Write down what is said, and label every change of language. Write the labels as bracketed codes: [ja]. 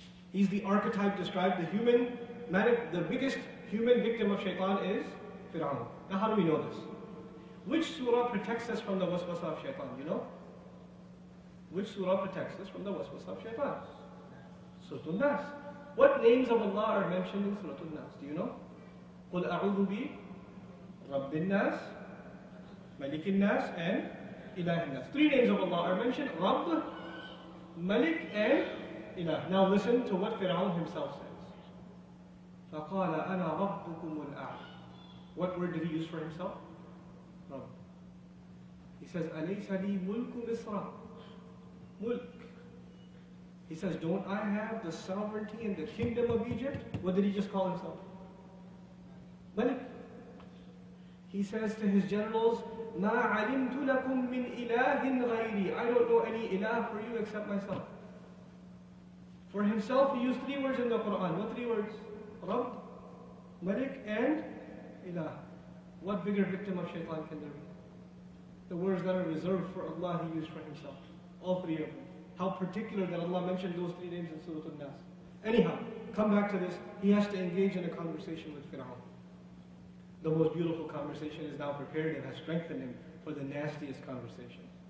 [en] He's the archetype described, the biggest human victim of shaitan is Fir'aun. Now how do we know this? Which surah protects us from the waswasa of shaitan, you know? Which surah protects us from the waswasa of shaitan? Surah An-Nas. What names of Allah are mentioned in Surah An-Nas, do you know? [ar] قل أعوذ بي رب الناس ملك الناس and إله الناس. [en] Three names of Allah are mentioned: رب, ملك, and إله. Now listen to what Fir'aun himself says. [ar] فقال أنا ربكم الأعلى. [en] What word did he use for himself? [ar] رب. [en] He says [ar] أليس لي ملك مصر. ملك. [en] He says, don't I have the sovereignty in the kingdom of Egypt? What did he just call himself? [ar] ملك. [en] He says to his generals, [ar] ما علمت لكم من إله غيري. [en] I don't know any إله for you except myself. For himself, he used three words in the Quran. What three words? [ar] رب, ملك, and إله. [en] What bigger victim of shaitan can there be? The words that are reserved for Allah, he used for himself. All three of them. How particular that Allah mentioned those three names in Surah An-Nas. Anyhow, come back to this. He has to engage in a conversation with Fir'aun. The most beautiful conversation is now prepared and has strengthened him for the nastiest conversation.